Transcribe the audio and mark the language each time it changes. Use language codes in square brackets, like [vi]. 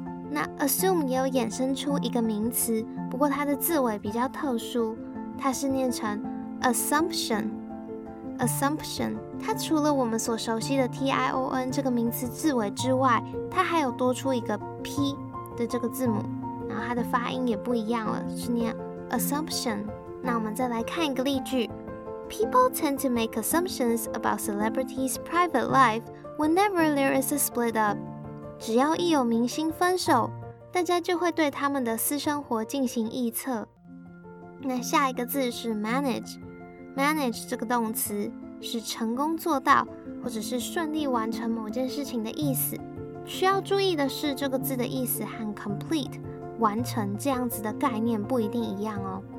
[zh] 那 assume 也有衍生出一个名词，不过它的字尾比较特殊，它是念成 assumption, assumption。它除了我们所熟悉的 tion 这个名词字尾之外，它还有多出一个 p 的这个字母，然后它的发音也不一样了，是念 assumption。那我们再来看一个例句。 [en] People tend to make assumptions about celebrities' private life whenever there is a split up. [zh] 只要一有明星分手，大家就会对他们的私生活进行臆测。那下一个字是 manage. Manage 这个动词是成功做到，或者是顺利完成某件事情的意思。需要注意的是，这个字的意思和 complete, 完成这样子的概念不一定一样哦。